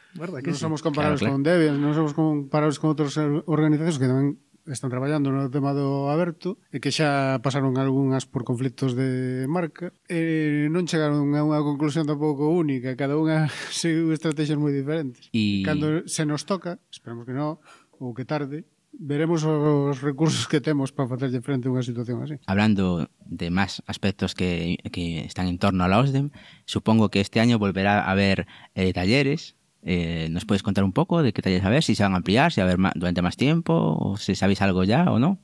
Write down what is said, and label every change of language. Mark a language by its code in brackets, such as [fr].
[gl] Que non somos comparables claro, claro. Con Debian, non somos comparables con outras organizacións que tamén están traballando no tema do aberto e que xa pasaron algunhas por conflitos de marca. Non chegaron a unha conclusión tampouco única. Cada unha seguiu estrategias moi diferentes. [es] Y [gl] cando se nos toca, esperemos que non, ou que tarde, veremos os recursos que temos para facerlle frente a unha situación así. [es] Hablando de máis aspectos que están en torno a la OSDEM, supongo que este año volverá a haber talleres. [gl] ¿Nos podes contar un pouco de que talleres a ver? [es] Si se van a ampliar, si va a haber [gl] durante máis tempo, ou se sabéis algo ya ou non?